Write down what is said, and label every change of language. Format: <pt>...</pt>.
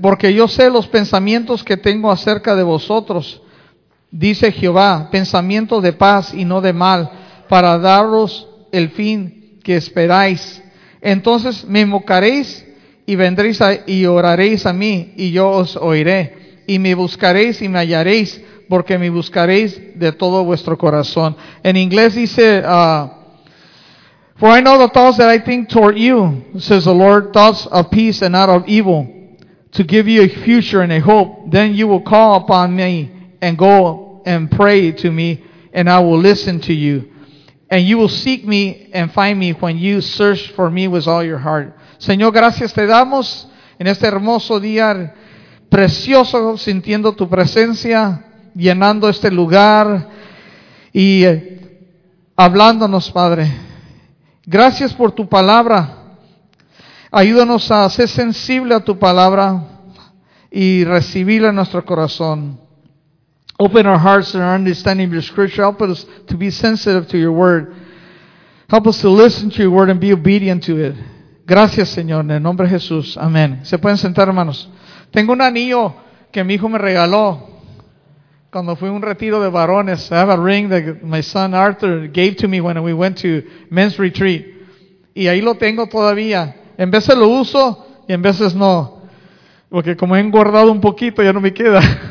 <es>Porque yo sé los pensamientos que tengo acerca de vosotros, dice Jehová, pensamientos de paz y no de mal, para daros el fin que esperáis. Entonces me invocaréis y vendréis y oraréis a mí, y yo os oiré, y me buscaréis y me hallaréis, porque me buscaréis de todo vuestro corazón. En inglés dice,</es> <en>For I know the thoughts that I think toward you, says the Lord, thoughts of peace and not of evil, to give you a future and a hope. Then you will call upon me and go and pray to me, and I will listen to you. And you will seek me and find me when you search for me with all your heart.</en> <es>Señor, gracias te damos en este hermoso día, precioso, sintiendo tu presencia, llenando este lugar y hablándonos, Padre. Gracias por tu palabra. Ayúdanos a ser sensible a tu palabra y recibirla en nuestro corazón.</es> <en>Open our hearts and our understanding of your scripture. Help us to be sensitive to your word. Help us to listen to your word and be obedient to it.</en> <es>Gracias, Señor, en el nombre de Jesús. Amén. Se pueden sentar, hermanos. Tengo un anillo que mi hijo me regaló cuando fui a un retiro de varones.</es> <en>I have a ring that my son Arthur gave to me when we went to men's retreat.</en> <es>Y ahí lo tengo todavía. En veces lo uso y en veces no. Porque como he engordado un poquito, ya no me queda.</es>